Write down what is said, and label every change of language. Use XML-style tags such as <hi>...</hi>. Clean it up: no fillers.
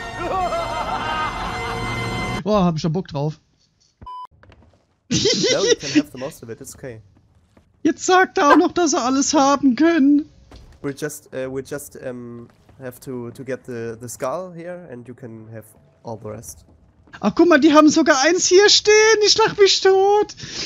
<de>Boah, hab ich schon Bock drauf. Okay. Jetzt sagt er auch noch, dass er alles haben können.</de> <en>We just have to get the skull here and you can have all the rest.</en> <de>Ach guck mal, die haben sogar eins hier stehen. Ich lach mich tot.</de>